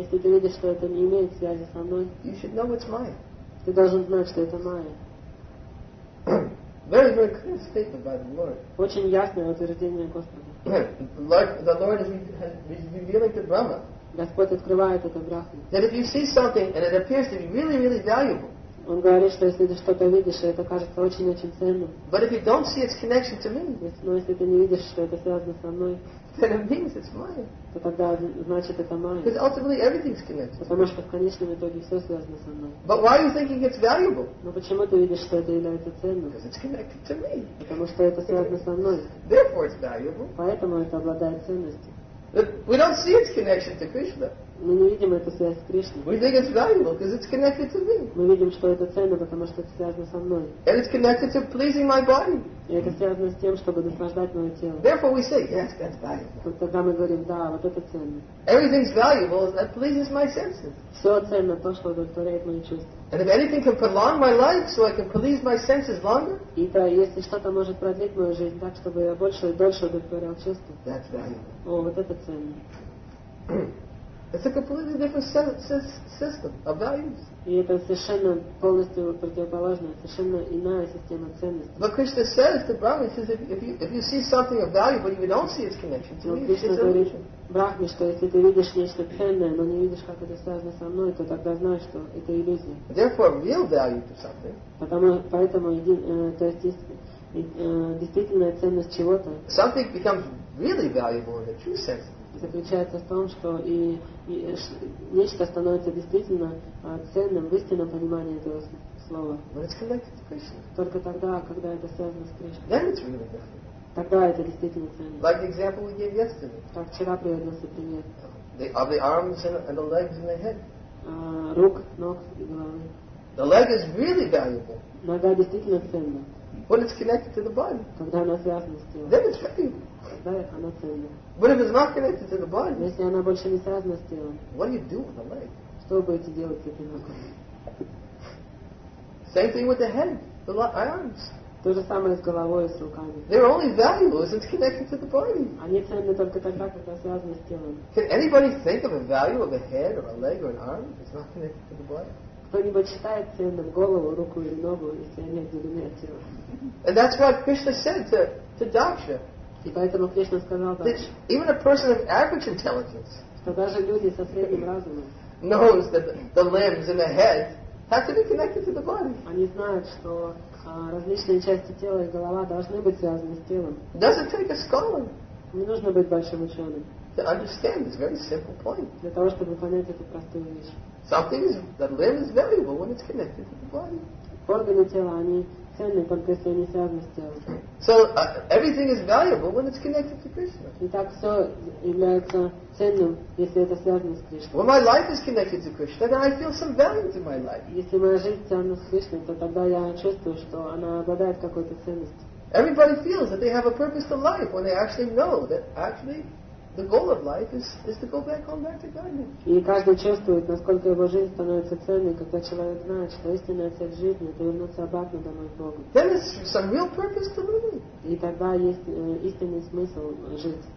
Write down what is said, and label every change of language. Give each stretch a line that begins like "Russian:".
Russian: Если ты видишь, что это не имеет связи со мной.
English: You should know it's mine.
Russian: Ты должен знать, что это мое.
English: Very, very clear statement by the Lord.
Russian: Очень ясное утверждение Господа.
English: The Lord is revealing to Brahma.
Russian: Господь открывает это Брахме.
English: That if you see something and it appears to be really, really valuable.
Russian: Он говорит, что если ты что-то видишь, и это кажется очень-очень ценным.
English: But if you don't see its connection to me.
Russian: Но если ты не видишь, что это связано со мной.
English: Then it means it's mine.
Russian: То тогда значит это мое.
English: Because ultimately everything's connected.
Russian: Потому что в конечном итоге все связано со мной.
English: But why are you thinking it's valuable?
Russian: Но почему ты видишь, что это является ценным?
English: Because it's connected to me.
Russian: Потому что это связано со мной.
English: Therefore it's valuable.
Russian: Поэтому это обладает ценностью.
English: We don't see its connection to Krishna.
Russian: Мы не видим эту связь с Кришной.
English: We think it's valuable because it's connected to me.
Russian: Мы видим, что это ценно, потому что это связано со мной.
English: And it's connected to pleasing my body.
Russian: И это связано с тем, чтобы наслаждать мое тело.
English: Therefore we say, yes, that's valuable.
Russian: Тогда мы говорим, да, вот это ценно.
English: Everything's valuable is that pleases my senses.
Russian: Все ценно то, что удовлетворяет мои чувства.
English: And if anything can prolong my life so I can please my senses longer.
Russian: И то, если что-то может продлить мою жизнь так, чтобы я больше и больше удовлетворял чувства.
English: That's valuable.
Russian: О, вот это ценно.
English: It's a completely different system of values.
Russian: И это совершенно полностью противоположная, совершенно иная система ценностей.
English: But Krishna says to Brahma, he says, if you see something of value, but you don't see its connection to me, it's illusion.
Russian: Брахме, что если ты видишь нечто ценное, но не видишь, как это связано со мной, то тогда знаешь, что это иллюзия.
English: Therefore, real value to something.
Russian: Действительная ценность чего-то.
English: Something becomes really valuable in the true sense.
Russian: Заключается в том, что и нечто становится действительно ценным в истинном понимании этого слова. Только тогда, когда это связано с Кришной.
English: Really
Russian: тогда это действительно ценно.
English: Like the example we gave yesterday.
Russian: Как вчера приводился пример.
English: Of the arms and the legs and the head.
Russian: Рук, ног и головы.
English: The leg is really valuable.
Russian: Нога действительно ценна.
English: When it's connected to the body.
Russian: Когда она связана с телом.
English: Then it's valuable. But if it's not connected to the body,
Russian: если она больше не связана с телом,
English: what do you do with the leg?
Russian: Что вы будете делать с этой ногой?
English: Same thing with the head, the arms.
Russian: То же самое с головой и с руками.
English: They're only valuable if it's connected to the body.
Russian: Они ценны только тогда, когда связаны с телом.
English: Can anybody think of a value of a head or a leg or an arm if it's not connected to the body?
Russian: Кто-нибудь считает ценным голову, руку или ногу, если они отделены от тела?
English: And that's what Krishna said to Daksha.
Russian: И поэтому Кришна сказал так,
English: that even a person of average intelligence,
Russian: что даже люди со средним разумом,
English: knows that the limbs and the head have to be connected to the body.
Russian: Они знают, что различные части тела и голова должны быть связаны с телом.
English: Doesn't take a scholar.
Russian: Не нужно быть большим ученым.
English: To understand this very simple point.
Russian: Для того, чтобы понять эту простую вещь.
English: Something is the limb is valuable when it's connected to the body.
Russian: Органы тела, они ценны, только если они связаны с телом.
English: So everything is valuable when it's connected to Krishna.
Russian: Итак, все является ценным, если это связано с Кришной.
English: When my life is connected to Krishna, then I feel some value to my life.
Russian: Если моя жизнь связана с Кришной, то тогда я чувствую, что она обладает какой-то ценностью.
English: Everybody feels that they have a purpose to life when they actually know that actually the goal of life is to go back to Godhead.
Russian: И каждый чувствует, насколько его жизнь становится ценной, когда человек знает, что истинная цель жизни — это вернуться обратно домой к Богу.
English: Then is some real purpose to live.
Russian: И тогда есть истинный смысл жить.